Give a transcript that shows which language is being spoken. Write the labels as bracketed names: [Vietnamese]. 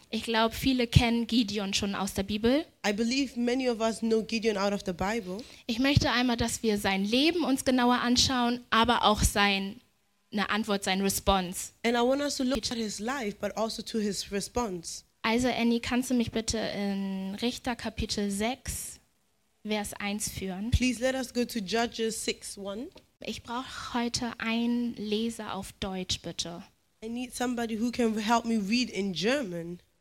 [German] Ich glaube, viele kennen Gideon schon aus der Bibel. [English] I believe many of us know Gideon out of the Bible. [German] Ich möchte einmal, dass wir sein Leben uns genauer anschauen, aber auch seine Antwort, sein Response. [English] And I want us to look at his life, but also to his response. [German] Also Annie, kannst du mich bitte in Richter Kapitel 6, Vers 1 führen? [English] Please let us go to Judges 6:1. [German] Ich brauche heute einen Leser auf Deutsch, bitte. [English] I need somebody who can help me read in German.